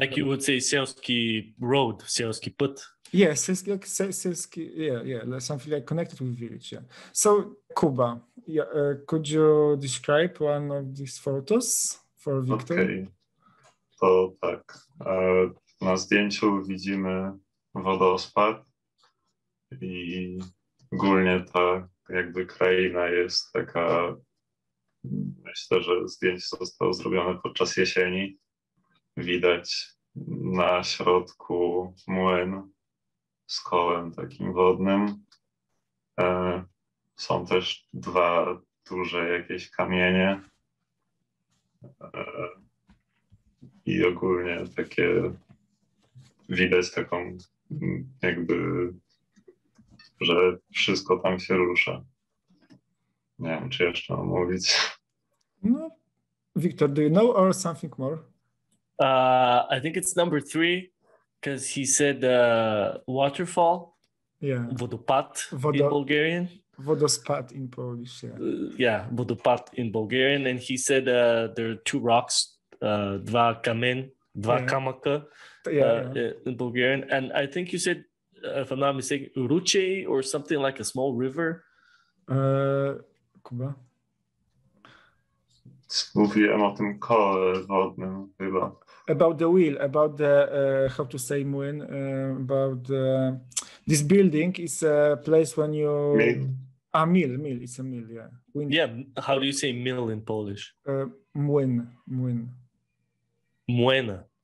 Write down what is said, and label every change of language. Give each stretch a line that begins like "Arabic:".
English: Like you would say sielski road, sielski put. Yes, sielski, something like connected with village, yeah. So, Kuba. Yeah, could you describe one of these photos for Victor?
Polish: Okay. To tak. Na zdjęciu widzimy wodospad i ogólnie ta jakby kraina jest taka Myślę, że zdjęcie zostało zrobione podczas jesieni. Widać na środku młyn z kołem takim wodnym. Są też dwa duże jakieś kamienie. I ogólnie takie widać taką jakby, że wszystko tam się rusza. Nie wiem, czy jeszcze mam mówić.
English: No, Victor, do you know or something more? I think it's number three, because he said waterfall. Yeah. Vodopad in Bulgarian. Vodospad in Polish, yeah. Yeah, vodopad in Bulgarian. And he said there are two rocks, dva kamen, dva kamaka, in Bulgarian. And I think you said, if I'm not mistaken, ruche or something like a small river. Kuba?
Polish: Mówiłem o tym kole wodnym chyba.
English: About the wheel, about the, how to say, młyn, about the, this building is a place when you... Mill, it's a mill, yeah. Wind. Yeah, how do you say mill in Polish?
Polish: Młyn. Młyna.